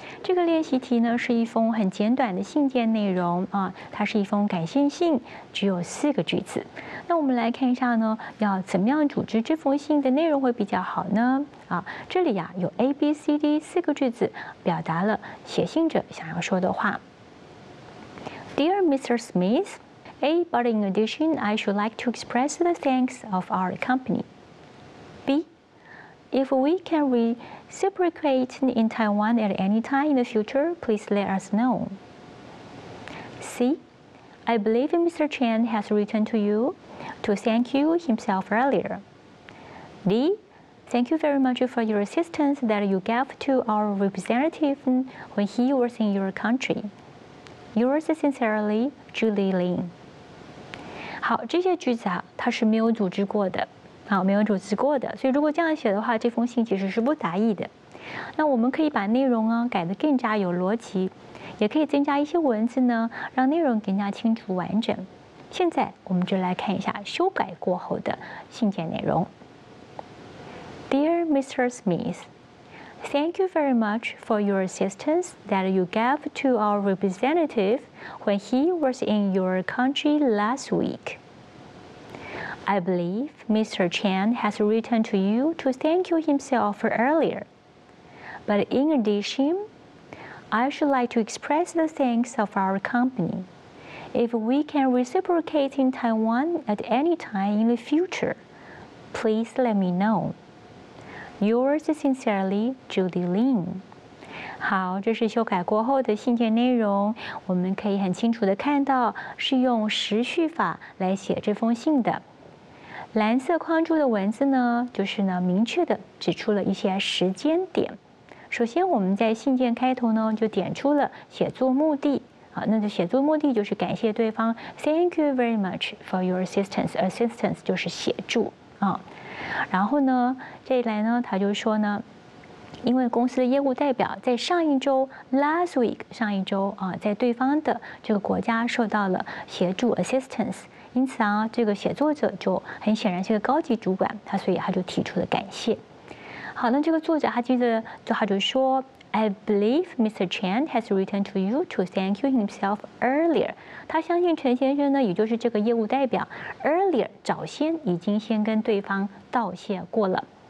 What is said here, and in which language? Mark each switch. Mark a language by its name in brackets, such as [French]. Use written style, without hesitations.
[Chinese] 这个练习题呢，是一封很简短的信件内容啊，它是一封感谢信，只有四个句子。那我们来看一下呢，要怎么样组织这封信的内容会比较好呢？啊，这里呀、啊、有 A、B、C、D 四个句子，表达了写信者想要说的话。 [English] Dear Mr. Smith, A, but in addition, I should like to express the thanks of our company. B, if we can reciprocate in Taiwan at any time in the future, please let us know. C, I believe Mr. Chen has written to you to thank you himself earlier. D, thank you very much for your assistance that you gave to our representative when he was in your country. Yours sincerely, Julie Lin. [Chinese] 好，这些句子啊，它是没有组织过的。好，没有组织过的，所以如果这样写的话，这封信其实是不达意的。那我们可以把内容啊改得更加有逻辑，也可以增加一些文字呢，让内容更加清楚完整。现在我们就来看一下修改过后的信件内容。 [English] Dear Mr. Smith, thank you very much for your assistance that you gave to our representative when he was in your country last week. I believe Mr. Chen has written to you to thank you himself earlier. But in addition, I should like to express the thanks of our company. If we can reciprocate in Taiwan at any time in the future, please let me know. Yours sincerely, Judy Lin. [Chinese] 好，这是修改过后的信件内容，我们可以很清楚地看到是用时序法来写这封信的。蓝色框住的文字呢，就是呢明确的指出了一些时间点。首先，我们在信件开头呢就点出了写作目的啊，那就写作目的就是感谢对方 ， [English] Thank you very much for your assistance. [Chinese] Assistance 就是协助啊。然后呢，这一来呢，他就说呢，因为公司的业务代表在上一周 [English] last week [Chinese] 上一周啊，在对方的这个国家受到了协助 assistance。因此啊，这个写作者就很显然是个高级主管，他所以他就提出了感谢。好，那这个作者他接着就他就说 ， [English] I believe Mr. Chen has written to you to thank you himself earlier。 [Chinese] 他相信陈先生呢，也就是这个业务代表 ，earlier 早先已经先跟对方道谢过了。